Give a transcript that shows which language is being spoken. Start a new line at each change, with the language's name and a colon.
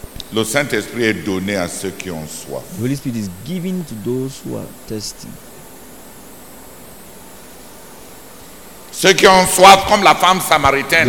French: Le Saint-Esprit est donné à ceux qui ont soif.
English: The Holy Spirit is given to those who are thirsty.
French: Ceux qui ont soif comme la femme samaritaine.